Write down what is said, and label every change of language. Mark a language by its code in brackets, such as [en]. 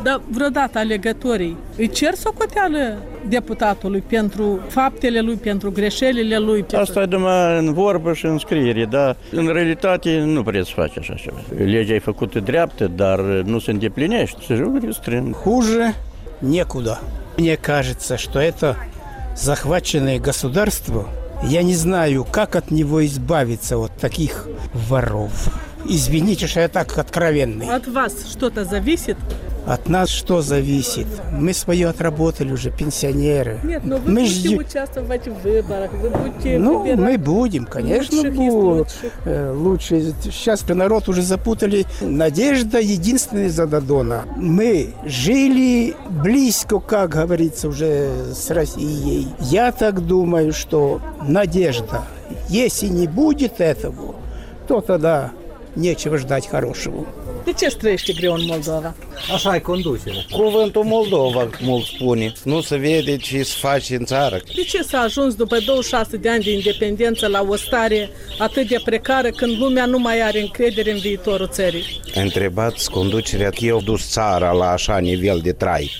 [ro] Dar vreodată alegătorii îi cer socoteală deputatului pentru faptele lui, pentru greșelile lui? Asta e numai în vorbă și în scriere, dar în realitate nu vreți să faci așa ceva. Legea e făcută dreaptă, dar nu se îndeplinește. Se juge strâng. [ru] Хуже некуда. Мне кажется, что это захваченное государство. Я не знаю, как от него избавиться, вот таких воров. Извините, что я так откровенный. От вас что-то зависит? От нас что зависит? Мы свое отработали уже, пенсионеры. Нет, но вы будете участвовать в выборах. Вы будете выбирать. Мы будем, конечно, будем. Лучше. Сейчас народ уже запутали. Надежда единственная за Додона. Мы жили близко, как говорится, уже с Россией. Я так думаю, что надежда. Если не будет этого, то тогда нечего ждать хорошего. [ro] De ce străiește greu în Moldova? Așa e conducerea. Cuvântul Moldova, mult spune. Nu se vede ce se face în țară. De ce s-a ajuns după 26 de ani de independență la o stare atât de precară când lumea nu mai are încredere în viitorul țării? Întrebați conducerea că eu dus țara la așa nivel de trai.